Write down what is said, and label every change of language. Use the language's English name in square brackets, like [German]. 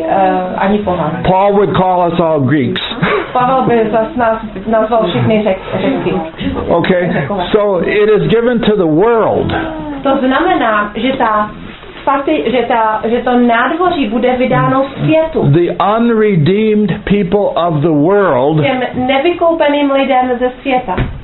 [English] Paul would call us all Greeks. Okay, so it is given to the world. [Czech] To znamená, že ta svatý, že to nádvoří bude vydáno světu. [English] The unredeemed people of the world, [Czech] těm nevykoupeným lidem ze světa,